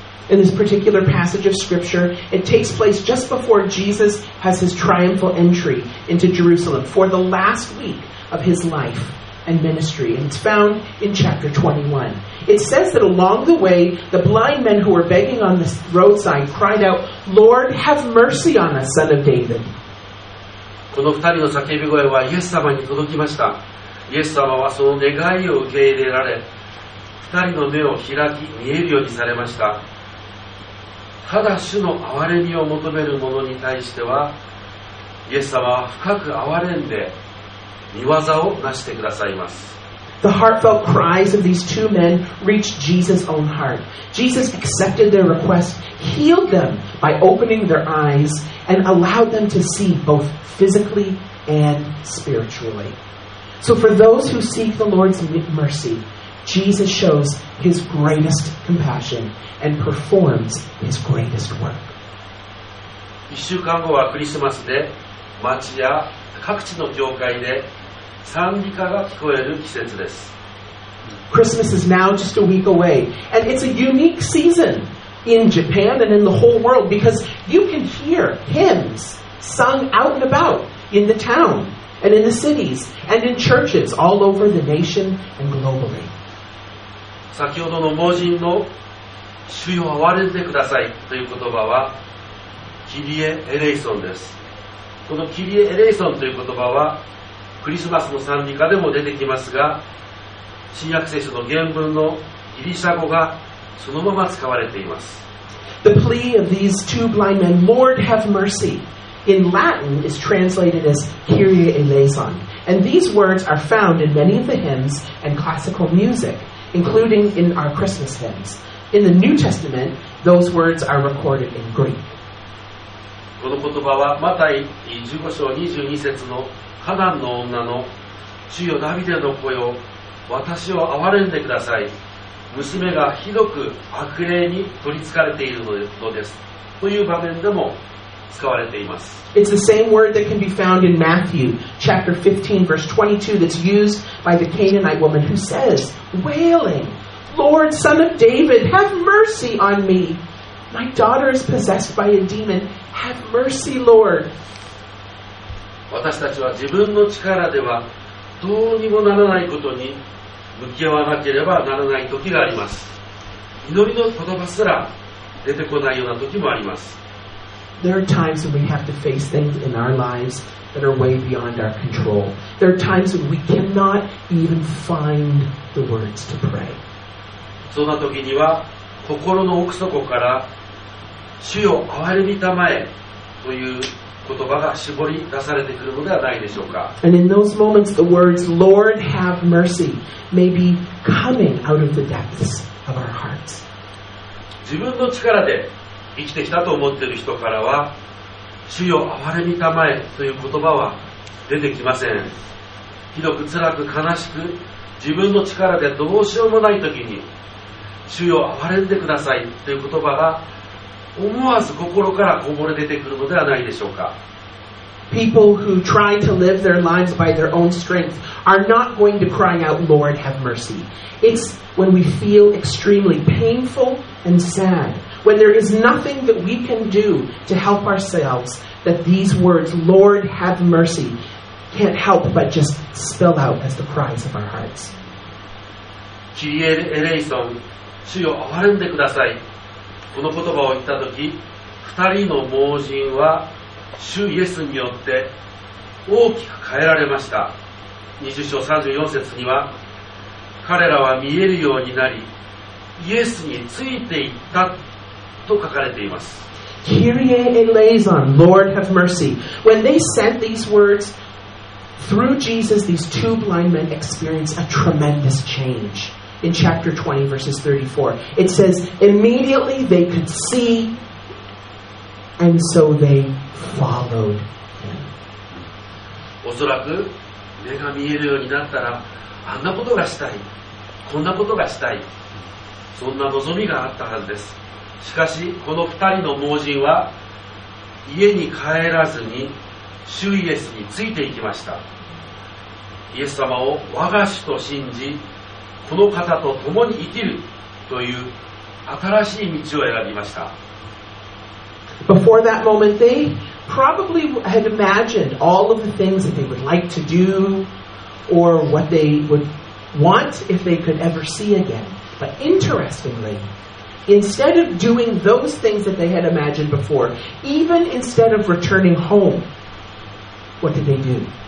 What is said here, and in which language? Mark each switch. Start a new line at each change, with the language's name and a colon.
English: In this particular passage of scripture, it takes place just before Jesus has his triumphal entry into Jerusalem for the last week of his life and ministry. And it's found in chapter 21. It says that along the way, the blind men who were begging on the roadside cried out, Lord, have mercy on us, son of David.
Japanese: この二人の叫び声はイエス様に届きました。イエス様はその願いを受け入れられ、二人の目を開き見えるようにされました。ただ主の憐れみを求める者に対してはイエス様は深く憐れんで御業を成してくださいます。
English: The heartfelt cries of these two men reached Jesus' own heart. Jesus accepted their request, healed them by opening their eyes and allowed them to see both physically and spiritually. So for those who seek the Lord's mercy, Jesus shows his greatest compassion and performs his greatest work.
Japanese: 1週間後はクリスマスで、街や各地の教会で賛美歌が聞こえる季節です。
English: Christmas is now just a week away, and it's a unique season in Japan and in the whole world because you can hear hymns sung out and about in the town and in the cities and in churches all over the nation and globally.
Japanese: 先ほどの盲人の主よ憐れんでくださいという言葉はキリエエレイソンです。このキリエエレイソンという言葉はクリスマスの賛美歌でも出てきますが、新約聖書の原文のギリシャ語がそのまま使われています。
English: The plea of these two blind men, Lord have mercy, in Latin is translated as Kyrie eleison. And these words are found in many of the hymns and classical music, including in our Christmas hymns. In the New Testament, those words are recorded in Greek.
Japanese: この言葉はマタイ15章22節のカナンの女の主よダビデの子よ私を憐れんでください娘がひどく悪霊に取り憑かれているのですという場面でも使われています。
English: It's the same word that can be found in Matthew chapter 15 verse 22 that's used by the Canaanite woman who says wailing Lord son of David have mercy on me my daughter is possessed by a demon have mercy Lord。
Japanese: 私たちは自分の力ではどうにもならないことに向き合わなければならない時があります。祈りの言葉すら出てこないような時もあります。
English: There are times when we have to face things in our lives that are way beyond our control. There are times when we cannot even find the words to pray.
Japanese: そんな時には心の奥底から主よ憐れみたまえという言葉が絞り出されてくるのではないでしょうか。
English: And in those moments the words Lord have mercy may be coming out of the depths of our hearts.
Japanese: 自分の力で生きてきたと思っている人からは主よ憐れみたまえという言葉は出てきません。ひどく辛く悲しく自分の力でどうしようもない時に主よ憐れんでくださいという言葉が思わず心からこぼれ出てくるのではないでしょうか。
English: People who try to live their lives by their own strength are not going to cry out, Lord, have mercy. It's when we feel extremely painful and sad, when there is nothing that we can do to help ourselves, that these words, Lord, have mercy, can't help but just spill out as the cries of our hearts.
Japanese: キリエエレイソン、主よ憐れんでください。この言葉を言ったとき、二人の盲人は主イエスによって大きく変えられました。 20章34節には、彼らは見えるようになり、イエスについていったと書かれています。
English: Kyrie eleison, Lord have mercy. When they said these words, through Jesus, these two blind men experienced a tremendous change. In chapter 20, verses 34, it says, immediately they could see, and so they followed him.
Japanese: おそらく目が見えるようになったら、あんなことがしたい、こんなことがしたい、そんな望みがあったはずです。しかし、この二人の盲人は、家に帰らずに、主イエスについていきました。イエス様を我が主と信じ、この方と共に生きるという新しい道を選びました。
English: Before that moment, they probably had imagined all of the things that they would like to do or what they would want if they could ever see again. But interestingly, instead of doing those things that they had imagined before, even instead of returning home, what did they do?